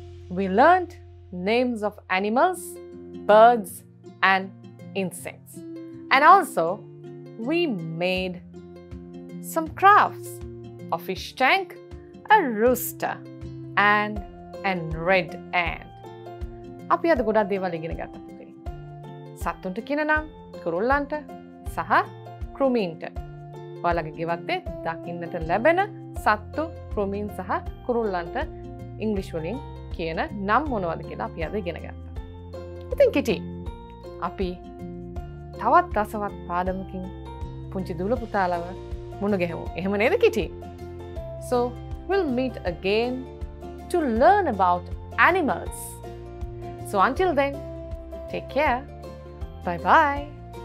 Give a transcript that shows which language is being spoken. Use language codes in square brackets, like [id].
[en] We learned names of animals, birds, and insects. And also, we made some crafts. A fish tank, a rooster, and red ant. [si] Api ada goda deval igenega. සත්තුන්ට කියන නම් කුරුල්ලන්ට සහ කෘමීන්ට ඔයාලගේ ගෙවත්තේ දකින්නට ලැබෙන සත්තු කෘමීන් සහ කුරුල්ලන්ට ඉංග්‍රීසි වලින් කියන නම් මොනවද කියලා අපි අද ඉගෙන ගන්නවා. ඉතින් කිටි අපි තවත් රසවත් පාඩමකින් පුංචි දූල පුතාලව මුණ ගැහුවෝ. එහෙම නේද කිටි? [en] So we'll meet again to learn about animals. So until then, take care. Bye-bye.